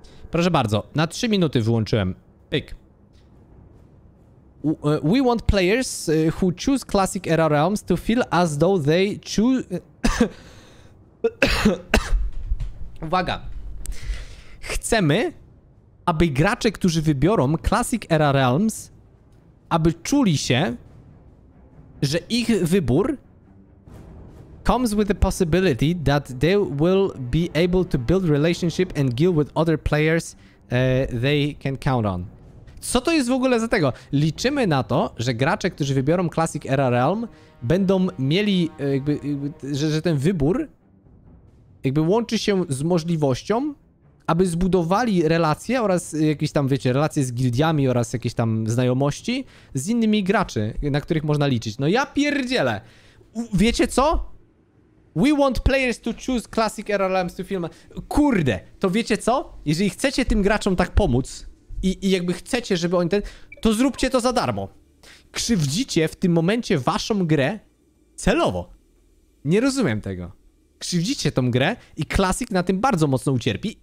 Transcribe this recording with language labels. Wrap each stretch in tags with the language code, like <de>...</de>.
<pl>Proszę bardzo, na 3 minuty wyłączyłem. Pyk.</pl> <en>We want players who choose Classic Era Realms to feel as though they choose...</en> <pl>Uwaga! Chcemy, aby gracze, którzy wybiorą Classic Era Realms, aby czuli się, że ich wybór</pl> <en>comes with the possibility that they will be able to build relationship and guild with other players they can count on.</en> <pl>Co to jest w ogóle za tego? Liczymy na to, że gracze, którzy wybiorą Classic Era Realm, będą mieli jakby że ten wybór jakby łączy się z możliwością, aby zbudowali relacje oraz jakieś tam, wiecie, relacje z gildiami oraz jakieś tam znajomości z innymi graczy, na których można liczyć. No ja pierdzielę! Wiecie co?</pl> <en>We want players to choose Classic Era Realms to film.</en> <pl>Kurde! To wiecie co? Jeżeli chcecie tym graczom tak pomóc, I jakby chcecie, żeby oni ten... To zróbcie to za darmo. Krzywdzicie w tym momencie waszą grę celowo. Nie rozumiem tego. Krzywdzicie tą grę i Classic na tym bardzo mocno ucierpi.</pl>